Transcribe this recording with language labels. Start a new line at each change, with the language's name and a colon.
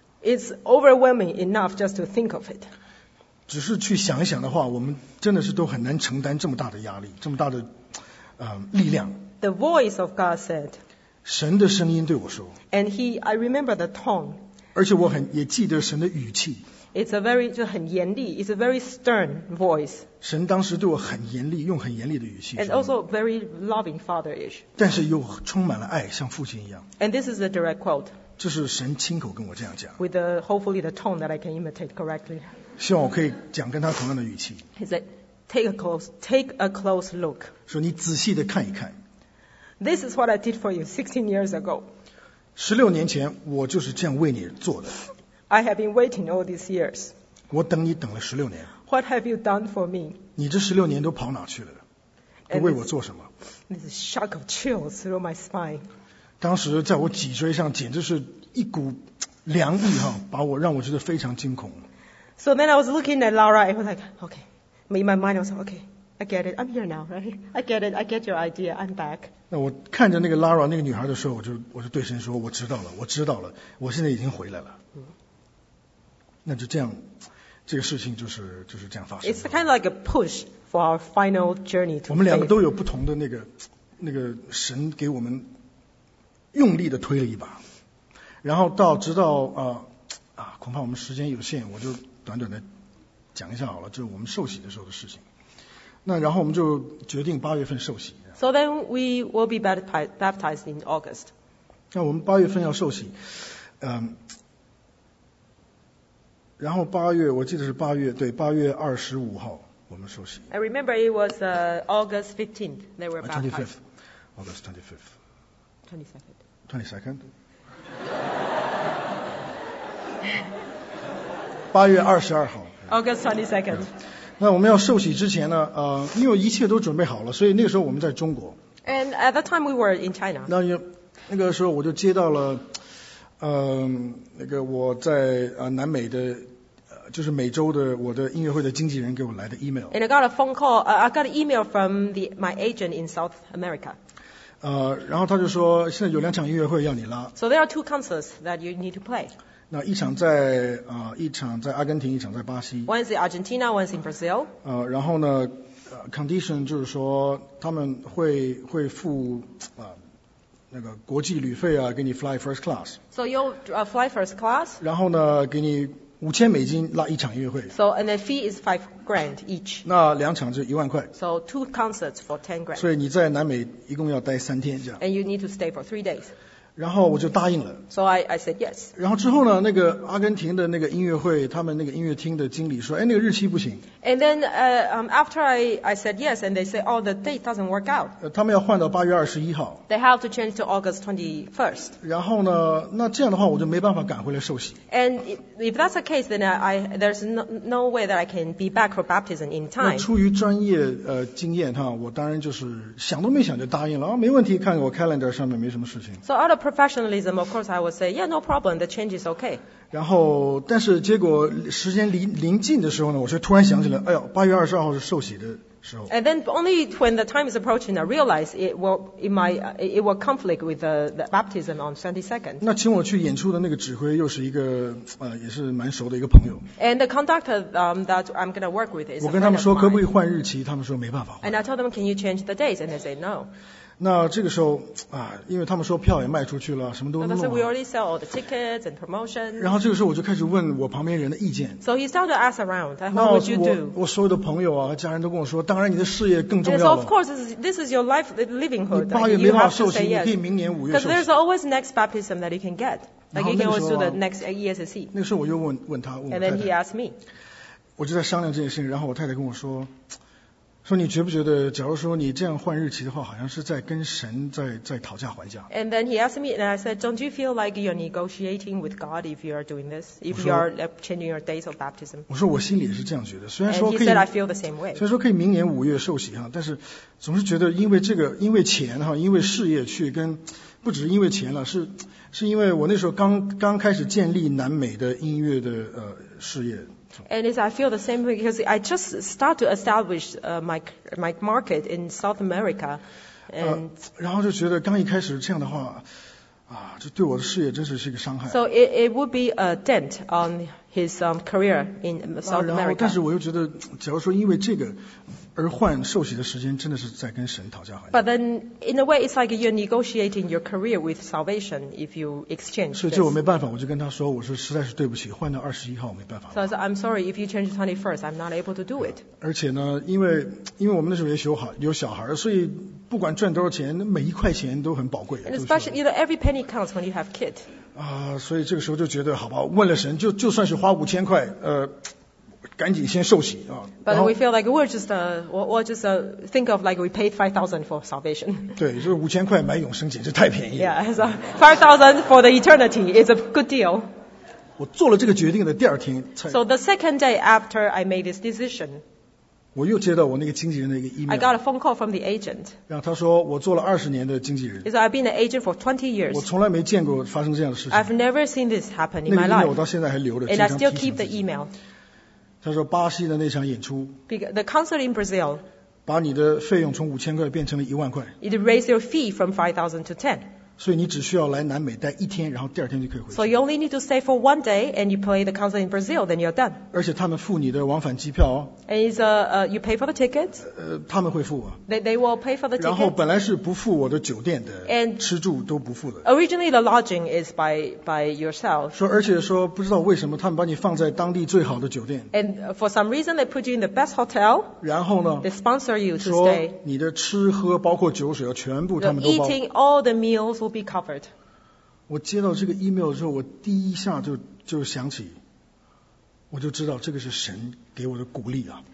English: it's overwhelming enough just to think of it.
Chinese: 只是去想一想的话，我们真的是都很难承担这么大的压力，这么大的力量。
English: The voice of God said,
Chinese: 神的声音对我说。
English: And I remember the tone.
Chinese: 而且我也记得神的语气。
English: It's a very,
Chinese: 就很严厉,
English: it's a very stern voice.
Chinese: 神当时对我很严厉, 用很严厉的语气。
English: And also very loving father-ish.
Chinese: 但是又充满了爱, 像父亲一样。
English: And this is a direct quote.
Chinese: 这是神亲口跟我这样讲。
English: With hopefully the tone that I can imitate correctly.
Chinese: 希望我可以讲跟他同样的语气。
English: He said, take a close look.
Chinese: 说你仔细地看一看。
English: This is what I did for you 16 years ago.
Chinese: 16年前我就是这样为你做的。
English: I have been waiting all these years.
Chinese: 我等你等了16年。
English: What have you done for me?
Chinese: 你这16年都跑哪去了？都为我做什么？
English: This is a shock of chills through my spine.
Chinese: 当时在我脊椎上简直是一股凉意哈，把我让我觉得非常惊恐。
English: So then I was looking at Laura and I was like, okay. In my mind I was like, okay. I get it. I'm here now, right? I get it. I get your idea. I'm back.
Chinese: 那我看着那个 Lara 那个女孩的时候，我就对神说，我知道了，我知道了，我现在已经回来了。那就这样，这个事情就是这样发生。
English: It's kind of like a push for our final journey to.
Chinese: 我们两个都有不同的那个神给我们用力的推了一把，然后直到恐怕我们时间有限，我就短短的讲一下好了，就是我们受洗的时候的事情。那然后我们就决定八月份受洗。
English: So then we will be baptized in August.
Chinese: 那我们八月份要受洗，然后八月我记得是八月，对，八月二十五号我们受洗。
English: I remember it was August 15th. They were baptized. August 25th. 22nd.
Chinese: 22nd. 八月二十二号。
English: August 22nd.
Chinese: 那我们要受洗之前呢，因为一切都准备好了，所以那个时候我们在中国。
English: And at that time we were in China.
Chinese: 那个时候我就接到了，那个我在南美的，就是美洲的我的音乐会的经纪人给我来的 email.
English: And I got a phone call. I got an email from my agent in South America.
Chinese: 然后他就说现在有两场音乐会要你拉。
English: So there are two concerts that you need to play.
Chinese: 那一场在一场在阿根廷，一场在巴西。
English: One is in Argentina, one is in Brazil.
Chinese: 然后呢condition 就是说他们会付那个国际旅费啊，给你 fly first class.
English: So you'll fly first class.
Chinese: 然后呢给你$5,000拉一场音乐会。
English: So and the fee is $5,000 each.
Chinese: 那两场就$10,000。
English: So two concerts for $10,000.
Chinese: 所以你在南美一共要待三天这样。
English: And you need to stay for 3 days.
Chinese: 然后我就答应了。
English: So I said yes.
Chinese: 然后之后呢，那个阿根廷的那个音乐会，他们那个音乐厅的经理说，哎，那个日期不行。
English: And then after I said yes, and they said, oh, the date doesn't work out.
Chinese: 他们要换到八月二十一号。
English: They have to change to August 21st.
Chinese: 然后呢，那这样的话我就没办法赶回来受洗。
English: And if that's the case, then I there's no way that I can be back for baptism in time.
Chinese: 那出于专业经验哈，我当然就是想都没想就答应了，没问题，看我 calendar 上面没什么事情。
English: So out of professionalism, of course, I would say, yeah, no problem, the change is okay.
Chinese: 然后，但是结果时间临近的时候呢，我却突然想起来，哎呦，八月二十二号是受洗的时候。
English: And then only when the time is approaching, I realize it will conflict with the baptism on 22nd.
Chinese: 那请我去演出的那个指挥又是一个也是蛮熟的一个朋友。
English: And the conductor that I'm going to work with is.
Chinese: 我跟他们说可不可以换日期，他们说没办法换。
English: And I told them, can you change the dates? And they say no.
Chinese: 那这个时候啊，因为他们说票也卖出去了，什么都弄了。
English: So we already sell all the tickets and promotion.
Chinese: 然后这个时候我就开始问我旁边人的意见。
English: So he started to ask around, "What would you do?"
Chinese: 我所有的朋友啊、家人都跟我说，当然你的事业更重要了。
English: So of course, this is your life livelihood.
Chinese: 你八月没法受洗，你可以明年五月受洗。
English: Because there's always next baptism that you can get, like you can always do the next ESSC.
Chinese: 那个时候我又问他，问我太太。
English: And then he asked me.
Chinese: 我就在商量这件事情，然后我太太跟我说。说你觉不觉得，假如说你这样换日期的话，好像是在跟神在讨价还价。
English: And then he asked me, and I said, "Don't you feel like you're negotiating with God if you are doing this, if you are changing your days of baptism?"
Chinese: 我说我心里也是这样觉得，虽然说可以。
English: And he said, "I feel the same way."
Chinese: 虽然说可以明年五月受洗哈，但是总是觉得因为这个，因为钱哈，因为事业去跟，不只是因为钱了，是因为我那时候刚开始建立南美的音乐的事业。
English: And I feel the same way because I just start to establish my market in South America. And
Chinese: 然后就觉得刚一开始这样的话，啊，这对我的事业真是一个伤害。
English: So it would be a dent on his career in South America.
Chinese: 然后，但是我又觉得，假如说因为这个而换受洗的时间，真的是在跟神讨价还价。
English: But then in a way, it's like you're negotiating your career with salvation if you exchange.
Chinese: 所以这我没办法，我就跟他说，我说实在是对不起，换到21号我没办法。
English: So I said, "I'm sorry, if you change 21st, I'm not able to do it."
Chinese: 而且呢，因为我们那时候也有小孩，所以不管赚多少钱，每一块钱都很宝贵。
English: And especially, you know, every penny counts when you have kids.
Chinese: 所以这个时候就觉得，好吧，问了神，就算是花5000块，赶紧先受洗啊！
English: But we feel like we're just think of like we paid 5,000 for salvation.
Chinese: 对，就是5000块买永生，简直太便宜了。
English: Yeah, so 5,000 for the eternity is a good deal.
Chinese: 我做了这个决定的第二天才。
English: So the second day after I made this decision.
Chinese: 我又接到我那个经纪人的一个 email.
English: I got a phone call from the agent.
Chinese: 然后他说我做了20年的经纪人。
English: He said I've been an agent for 20 years.
Chinese: 我从来没见过发生这样的事情。
English: I've never seen this happen in my life.
Chinese: 那个 email 我到现在还留着。
English: And I still keep the email.
Chinese: 他说巴西的那场演出
English: The concert in Brazil
Chinese: 把你的费用从5000块变成了10000块
English: It raised your fee from 5,000 to 10
Chinese: 所以你只需要来南美待一天然后第二天就可以回去
English: So you only need to stay for one day and you play the concert in Brazil then you're done
Chinese: 而且他们付你的往返机票
English: And it's you pay for the tickets
Chinese: 他们会付我
English: They will pay for the tickets
Chinese: 然后本来是不付我的酒店的 and 吃住都不付的
English: Originally the lodging is by yourself
Chinese: 说而且说不知道为什么他们把你放在当地最好的酒店
English: And for some reason they put you in the best hotel
Chinese: 然后呢
English: They sponsor you to stay
Chinese: 说你的吃喝包括酒水全部他们都包
English: Eating all the meals will be covered
Chinese: 我接到这个 email 之后我第一下就想起我就知道这个是神给我的鼓励啊